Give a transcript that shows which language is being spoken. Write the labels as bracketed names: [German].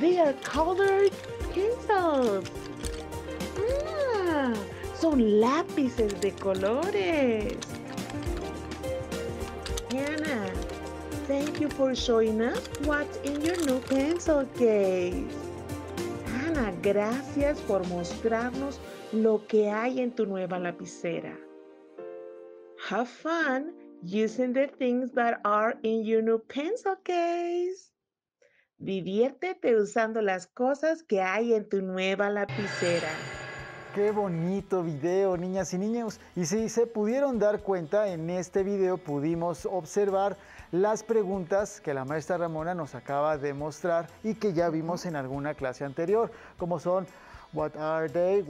[English] They are colored pencils. [Spanish] Ah, son lápices de colores. [English] Anna, thank you for showing us what's in your new pencil case. [Spanish] Anna, gracias por mostrarnos lo que hay en tu nueva lapicera. [English] Have fun using the things that are in your new pencil case. [Spanish] Diviértete usando las cosas que hay en tu nueva lapicera. ¡Qué bonito video, niñas y niños! Y si se pudieron dar cuenta, en este video pudimos observar las preguntas que la maestra Ramona nos acaba de mostrar y que ya vimos en alguna clase anterior, como son [English] What are they?